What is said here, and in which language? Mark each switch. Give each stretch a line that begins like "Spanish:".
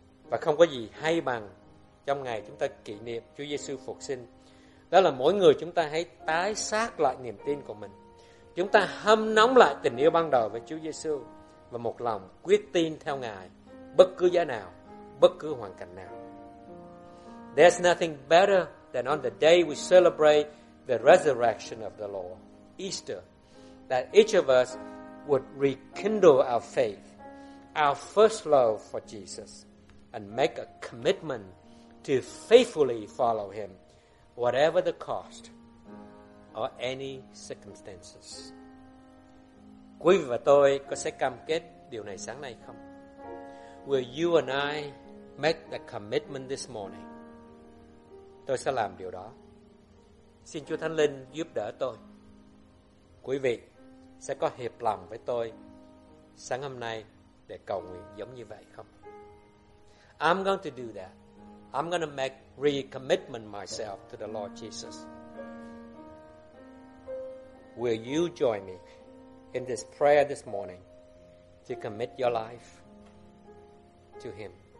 Vietnamese: Và không có gì hay bằng trong ngày chúng ta kỷ niệm Chúa Giê-xu phục sinh. Đó là mỗi người chúng ta hãy tái xác lại niềm tin của mình. Chúng ta hâm nóng lại tình yêu ban đầu với Chúa Giê-xu và một lòng quyết tin theo Ngài bất cứ giá nào, bất cứ hoàn cảnh nào.
English: There's nothing better than on the day we celebrate the resurrection of the Lord, Easter, that each of us would rekindle our faith, our first love for Jesus, and make a commitment to faithfully follow him, whatever the cost or any circumstances.
Vietnamese: Quý vị và tôi có sẽ cam kết điều này sáng nay không?
English: Will you and I make the commitment this morning?
Vietnamese: Tôi sẽ làm điều đó. Xin Chúa Thánh Linh giúp đỡ tôi. Quý vị sẽ có hiệp lòng với tôi sáng hôm nay để cầu nguyện giống như vậy không?
English: I'm going to do that. I'm going to make recommitment myself to the Lord Jesus. Will you join me in this prayer this morning to commit your life to him?